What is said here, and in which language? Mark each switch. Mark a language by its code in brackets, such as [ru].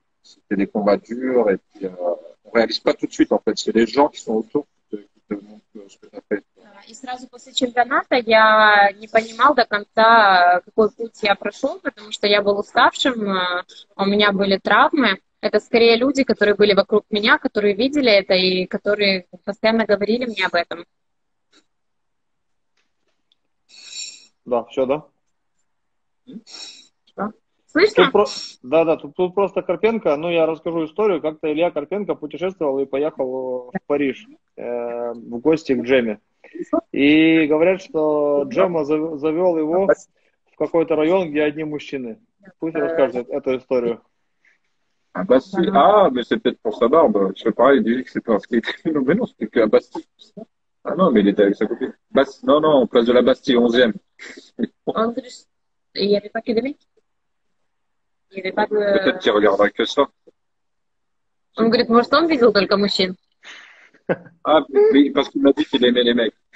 [fr] C'était des combats durs et puis on réalise pas tout de suite en fait, c'est les gens qui sont autour qui te montrent ce que tu as fait. [ru] И сразу после чемпионата я не понимал до конца, какой путь я прошел, потому что я был уставшим, у меня были травмы. Это скорее люди, которые были вокруг меня, которые видели это и которые постоянно говорили мне об этом. Да, все, да? Тут просто Карпенко, ну я расскажу историю, как-то Илья Карпенко путешествовал и поехал в Париж в гости к Джемме. И говорят, что Джемма завел его в какой-то район, где одни мужчины. Пусть расскажет эту историю. [fr] Mais c'est peut-être pour sa barbe. Je parlais, il disait que c'était parce qu'il était... Mais non, c'était qu'à Bastille. Ah non, mais il était avec sa copine. Non, en place de la Bastille, 11e. Il n'y avait pas que des mecs? Peut-être qu'il regardera que ça. [ru] Он говорит, может, он видел только мужчин. [fr] Parce qu'il m'a dit qu'il aimait les mecs.